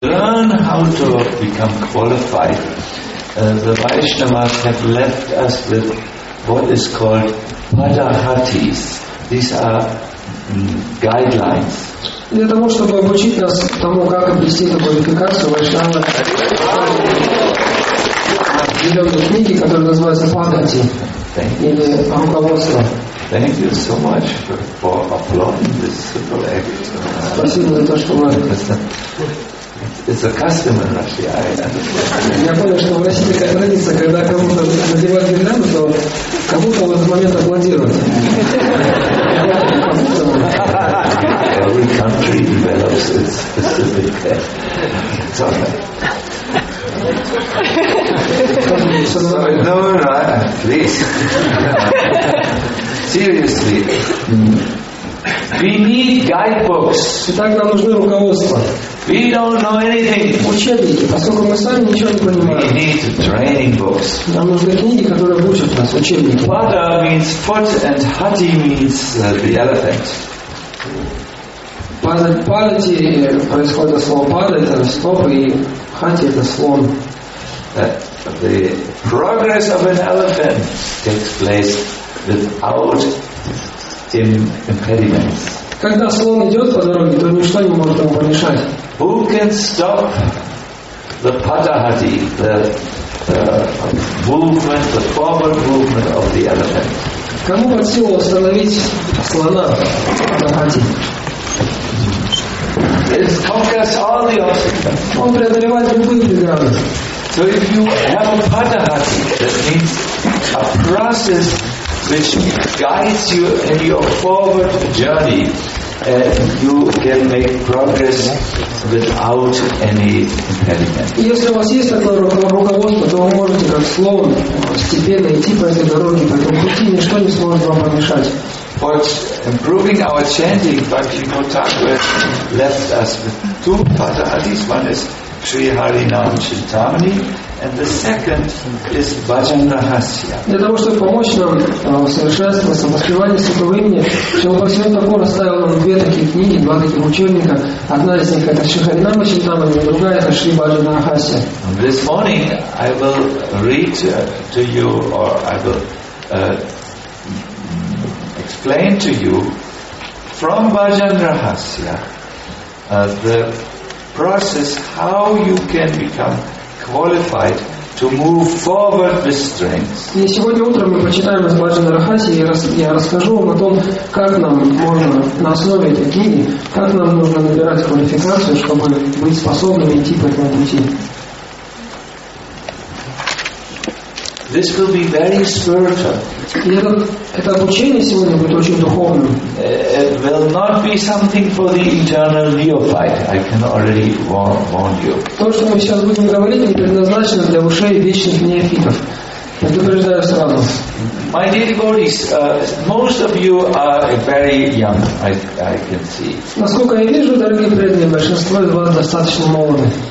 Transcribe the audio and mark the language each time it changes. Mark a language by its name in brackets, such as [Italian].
[English] how to become qualified, the Vaishnavas have left us with what is called padahatis. These are guidelines. [Russian] Для того, чтобы обучить нас тому, как обрести эту квалификацию, Вайшнава ведет книги, которые называются «Падати» или «Руководство». [English] Thank you so much for applauding this simple act. [Russian] Спасибо за то, что вы... [English] It's a custom in Russia, I understand. [Russian] Я понял, что в России такая традиция, когда кому-то надевают гирлянду, то кому-то в этот момент аплодируют. [English] Every country develops its specific topic. Sorry, no, please. Seriously. We need guidebooks. [Russian] Итак, нам нужны руководства. [English] We don't know anything. [Russian] Учебники, поскольку мы сами ничего не понимаем. [English] We need training books. [Russian] Нам нужны книги, которые обучат нас, учебники. [English] Pada means foot and hati means the elephant. [Russian] Падати происходит от слова пада, это стоп, и хати это слон. [English] The progress of an elephant takes place without impediments. [Russian] Когда слон идет по дороге, то ничто не может ему помешать. [English] Who can stop the padahati, the movement, the forward movement of the elephant? [Russian] Кому под силу остановить слона падахати? [English] It conquers all the obstacles. [Russian] Он преодолевает любые преграды. [English] So if you have a padahati, that means a process which guides you in your forward journey, you can make progress without any impediment. [Russian] Если у вас есть такое руководство, то вы можете как слон постепенно идти по этой дороге, по этому пути, ничто не сможет вам помешать. [English] But improving our chanting, Bhakti Mottakura left us with two padahatis. One is Sri Harinam Chintamani, and the second is Bhajan Rahasya. [Russian] Для того, чтобы помочь нам совершенствоваться в воспевании святого имени, Шилпасио Такур оставил нам две такие книги, два таких учебника. Одна из них это Шри Харинам Чинтамани, а другая это Шри Бхаджан Рахасья. [English] This morning I will read to you, or I will explain to you from Bhajan Rahasya the process how you can become qualified to move forward with strength. [Russian] И сегодня утром мы прочитаем из Бхаджана Рахасьи, я расскажу вам о том, как нам можно на основе этой книги, как нам нужно набирать квалификацию, чтобы быть способными идти по этому пути. [English] This will be very spiritual. [Russian] И это обучение сегодня будет очень духовным. [English] It will not be something for the eternal neophyte. I can already warn you. [Russian] То, что мы сейчас будем говорить, не предназначено для ушей вечных неофитов. Предупреждаю сразу. [English] My dear devotees, most of you are very young. I can see. [Russian] Насколько я вижу, дорогие преданные, большинство из вас достаточно молоды.